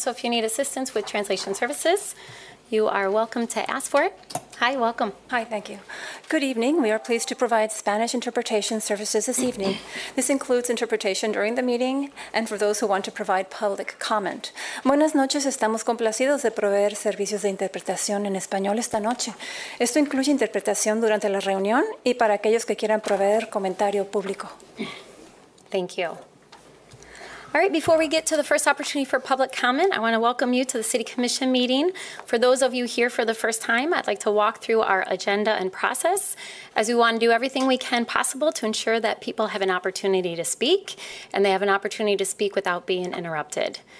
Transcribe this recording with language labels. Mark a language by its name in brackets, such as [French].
[English] So if you need assistance with translation services, you are welcome to ask for it. Hi, welcome. Hi, thank you. Good evening. We are pleased to provide Spanish interpretation services this evening. This includes interpretation during the meeting and for those who want to provide public comment. [Spanish] Buenas noches. Estamos complacidos de proveer servicios de interpretación en español esta noche. Esto incluye interpretación durante la reunión y para aquellos que quieran proveer comentario público. [English] Thank you. All right, before we get to the first opportunity for public comment, I want to welcome you to the City Commission meeting. For those of you here for the first time, I'd like to walk through our agenda and process, as we want to do everything we can possible to ensure that people have an opportunity to speak, and they have an opportunity to speak without being interrupted.